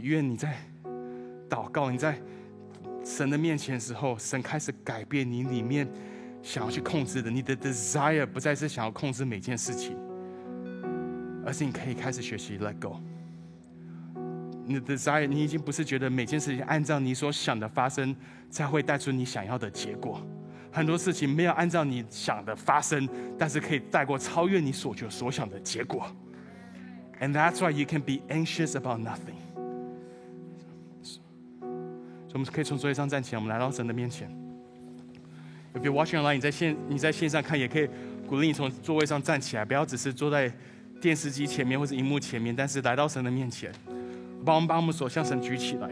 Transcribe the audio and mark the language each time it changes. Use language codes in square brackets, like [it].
[zh] 愿你在祷告，你在神的面前的时候，神开始改变你里面想要去控制的，你的 desire 不再是想要控制每件事情，而是你可以开始学习 [en] let go。 [zh] 你的 desire， 你已经不是觉得每件事情按照你所想的发生才会带出你想要的结果，很多事情没有按照你想的发生，但是可以带过超越你所觉所想的结果。 [en] And that's why you can be anxious about nothing。 [zh] 所以我们可以从座位上站起来，我们来到神的面前。 [en] If you're watching online， [zh] 你在线上看，也可以鼓励你从座位上站起来，不要只是坐在电视机前面或是荧幕前面，但是来到神的面前，把我们所向神举起来。